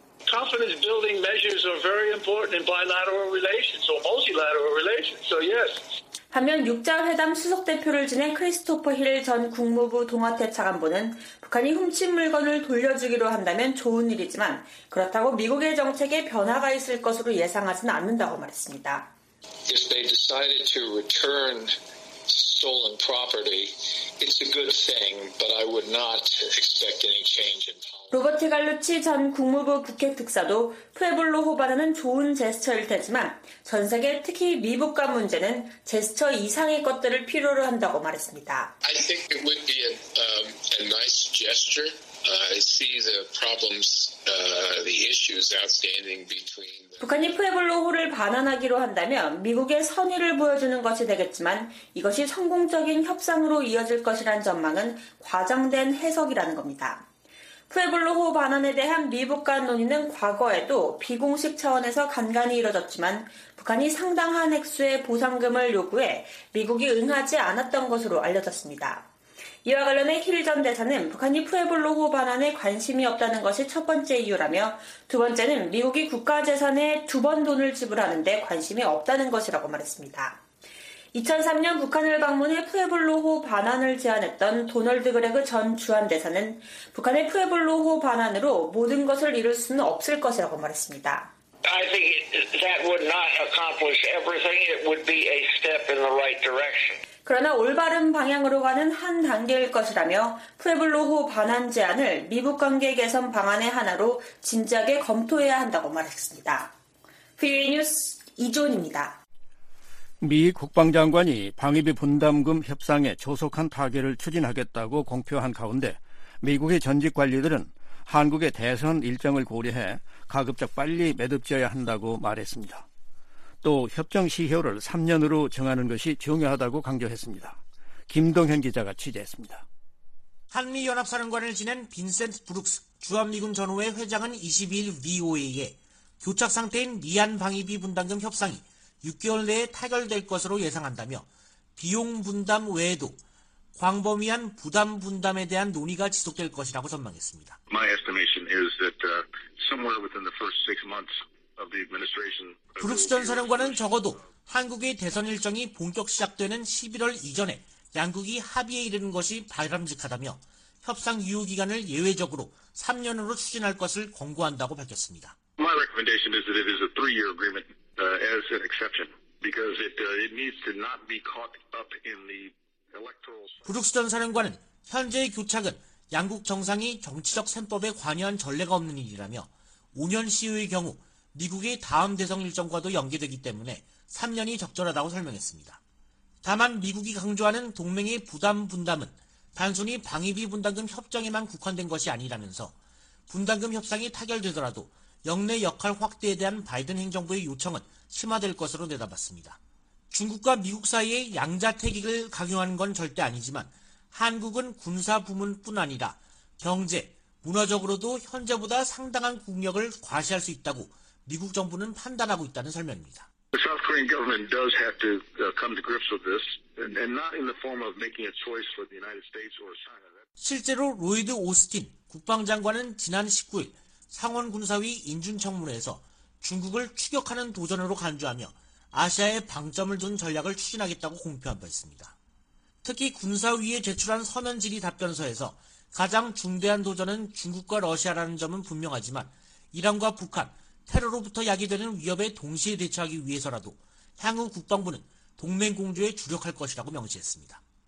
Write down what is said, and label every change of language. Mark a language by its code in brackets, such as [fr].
[en] Confidence building measures are very important in bilateral relations or multilateral relations. So yes. [ko] 한편 육자회담 수석대표를 지낸 크리스토퍼 힐 전 국무부 동아태 차관보는 북한이 훔친 물건을 돌려주기로 한다면 좋은 일이지만 그렇다고 미국의 정책에 변화가 있을 것으로 예상하지는 않는다고 말했습니다. [en] If they decided to return stolen property, it's a good thing, but I would not expect any change in policy. [ko] 로버트 갈루치 전 국무부 북핵 특사도 푀블로호 반환은 좋은 제스처일 테지만 전 세계 특히 미북 간 문제는 제스처 이상의 것들을 필요로 한다고 말했습니다. [en] I think it would be a nice gesture. I see the problems, the issues outstanding between. [ko] 북한이 푀블로호를 반환하기로 한다면 미국의 선의를 보여주는 것이 되겠지만 이것이 성공적인 협상으로 이어질 것이란 전망은 과장된 해석이라는 겁니다. 푀블로호 반환에 대한 미북 간 논의는 과거에도 비공식 차원에서 간간이 이뤄졌지만 북한이 상당한 액수의 보상금을 요구해 미국이 응하지 않았던 것으로 알려졌습니다. 이와 관련해 힐 전 대사는 북한이 푀블로호 반환에 관심이 없다는 것이 첫 번째 이유라며 두 번째는 미국이 국가 재산에 두 번 돈을 지불하는데 관심이 없다는 것이라고 말했습니다. 2003년 북한을 방문해 푀블로호 반환을 제안했던 도널드 그레그 전 주한대사는 북한의 푀블로호 반환으로 모든 것을 이룰 수는 없을 것이라고 말했습니다. [en] I think that would not accomplish everything. It would be a step in the right direction. [ko] 그러나 올바른 방향으로 가는 한 단계일 것이라며 푀블로호 반환 제안을 미북 관계 개선 방안의 하나로 진지하게 검토해야 한다고 말했습니다. VOA 뉴스 이존입니다. 미 국방장관이 방위비 분담금 협상에 조속한 타결을 추진하겠다고 공표한 가운데 미국의 전직 관리들은 한국의 대선 일정을 고려해 가급적 빨리 매듭지어야 한다고 말했습니다. 또 협정 시효를 3년으로 정하는 것이 중요하다고 강조했습니다. 김동현 기자가 취재했습니다. 한미연합사령관을 지낸 빈센트 브룩스 주한미군 전후회 회장은 22일 VOA에 교착상태인 미한 방위비 분담금 협상이 6개월 내에 타결될 것으로 예상한다며 비용 분담 외에도 광범위한 부담 분담에 대한 논의가 지속될 것이라고 전망했습니다. [en] My estimation is that somewhere within the first six months of the administration. [ko] 브룩스 전 사령관은 적어도 한국의 대선 일정이 본격 시작되는 11월 이전에 양국이 합의에 이르는 것이 바람직하다며 협상 유효 기간을 예외적으로 3년으로 추진할 것을 권고한다고 밝혔습니다. [en] My recommendation is that it is a three-year agreement. As an exception, because it needs to not be caught up in the electoral. [ko] 브룩스 전 사령관은 현재의 교착은 양국 정상이 정치적 셈법에 관여한 전례가 없는 일이라며 5년 시효의 경우 미국의 다음 대선 일정과도 연계되기 때문에 3년이 적절하다고 설명했습니다. 다만 미국이 강조하는 동맹의 부담 분담은 단순히 방위비 분담금 협정에만 국한된 것이 아니라면서 분담금 협상이 타결되더라도 역내 역할 확대에 대한 바이든 행정부의 요청은 심화될 것으로 내다봤습니다. 중국과 미국 사이의 양자태극을 강요하는 건 절대 아니지만 한국은 군사 부문뿐 아니라 경제, 문화적으로도 현재보다 상당한 국력을 과시할 수 있다고 미국 정부는 판단하고 있다는 설명입니다. [en] The South Korean government does have to come to grips with this and not in the form of making a choice for the United States or China. [ko] 실제로 로이드 오스틴 국방장관은 지난 19일 상원군사위 인준청문회에서 중국을 추격하는 도전으로 간주하며 아시아에 방점을 둔 전략을 추진하겠다고 공표한 바 있습니다. 특히 군사위에 제출한 서면 질의 답변서에서 가장 중대한 도전은 중국과 러시아라는 점은 분명하지만 이란과 북한, 테러로부터 야기되는 위협에 동시에 대처하기 위해서라도 향후 국방부는 동맹 공조에 주력할 것이라고 명시했습니다.